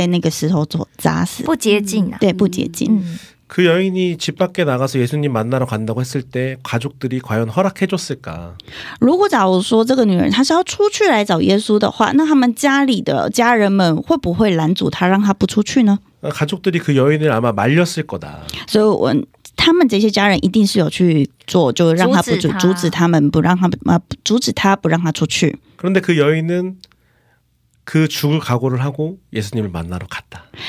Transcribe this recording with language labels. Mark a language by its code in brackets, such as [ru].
[zh] 但在当时的风气加当时的情况之下，患了血瘤的女人只要出去到外面的话，就是会被那个石头砸死。不洁净啊。对，不洁净。 [ko] 그 여인이 집 밖에 나가서 예수님 만나러 간다고 했을 때 가족들이 과연 허락해줬을까? [zh] 如果假如说这个女人她是要出去来找耶稣的话，那他们家里的家人们会不会拦阻她，让她不出去呢？ [ko] 가족들이 그 여인을 아마 말렸을 거다. [zh] So 他们这些家人一定是有去做，就让他不阻止他们，不让他阻止他，不让他出去。 [ko] 그런데 그 여인은 그 죽을 각오를 하고 예수님을 만나러 갔다.